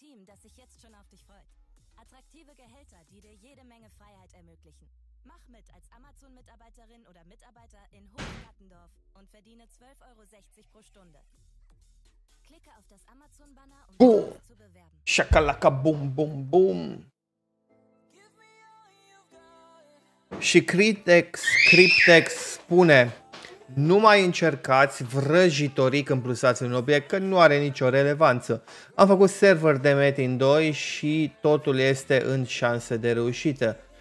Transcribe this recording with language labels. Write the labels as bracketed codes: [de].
[de] Das sich jetzt schon auf dich freut. Attraktive Gehälter, die dir jede Menge Freiheit ermöglichen. Mach mit als Amazon-Mitarbeiterin oder Mitarbeiter in Hohenplattendorf und verdiene 12,60 Euro pro Stunde. Klicke auf das Amazon-Banner, um dich zu bewerben. Shakalaka, boom, boom, boom. [ro] Și Cryptex spune: nu mai încercați vrăjitoric când plusați un obiect, că nu are nicio relevanță. Am făcut server de Metin 2 și totul este în șanse de reușită.